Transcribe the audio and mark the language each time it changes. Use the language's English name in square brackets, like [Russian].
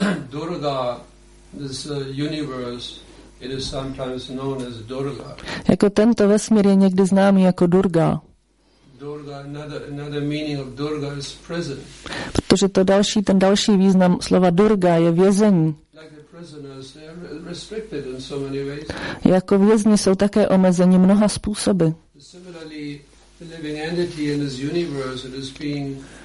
[English] Durga, this universe, it is sometimes known as Durga. [Czech] Jako tento vesmír je někdy známý jako Durga. [English] Durga, another meaning of Durga is prison. [Czech] Protože ten další význam slova Durga je vězení. [English] Like prisoners, they are restricted in so many ways. [Czech] Jako vězni jsou také omezeni mnoha způsoby. [English] Similarly, the living entity in this universe, it is being